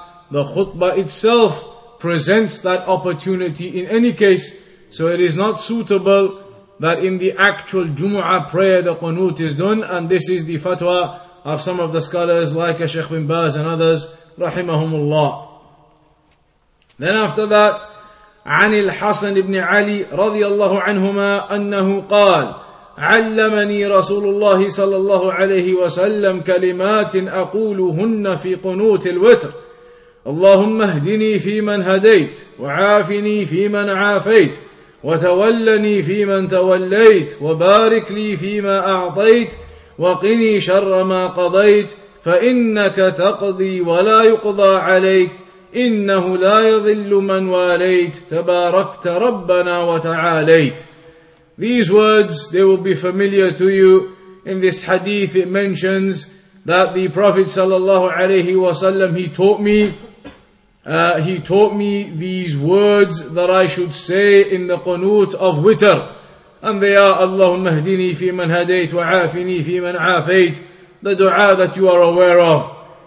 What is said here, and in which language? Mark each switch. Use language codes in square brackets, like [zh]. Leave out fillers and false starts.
[en] The khutbah itself presents that opportunity in any case. So it is not suitable that in the actual Jumu'ah prayer the qunut is done. And this is the fatwa of some of the scholars like Sheikh bin Baz and others, rahimahumullah. Then after that, [ar] عن الحسن بن علي رضي الله عنهما أنه قال علمني رسول الله صلى الله عليه وسلم كلمات أقولهن في قنوت الوتر اللهم اهدني في من هديت وعافني في من عافيت وتولني في من توليت وبارك لي فيما أعطيت وقني شر ما قضيت فإنك تقضي ولا يقضى عليك إنه لا يضل من واليت تباركت ربنا وتعاليت. [en] These words, they will be familiar to you. In this hadith it mentions that the Prophet sallallahu alayhi wa sallam, he taught me these words that I should say in the qunut of witr, and they are [ar] Allahumma ihdini fi man hadayt wa afini fi man afayt, [en] the dua that you are aware of.